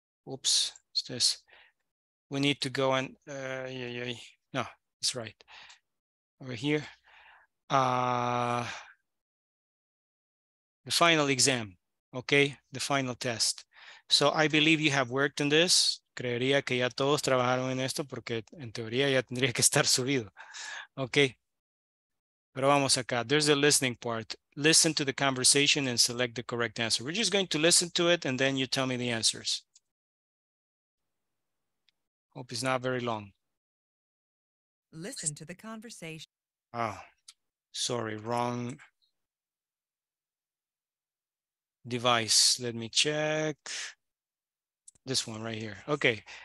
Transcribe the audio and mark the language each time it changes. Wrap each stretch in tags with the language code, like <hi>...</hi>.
<en>Oops, it's this. We need to go and, no, it's right. Over here. The final exam, okay? The final test. So I believe you have worked on this.</en> <es>Creería que ya todos trabajaron en esto porque en teoría ya tendría que estar subido.</es> <en>Okay.</en> <es>Pero vamos acá.</es> <en>There's the listening part. Listen to the conversation and select the correct answer. We're just going to listen to it and then you tell me the answers. Hope it's not very long. Listen to the conversation. Oh, sorry, wrong device. Let me check. This one right here. Okay.</en>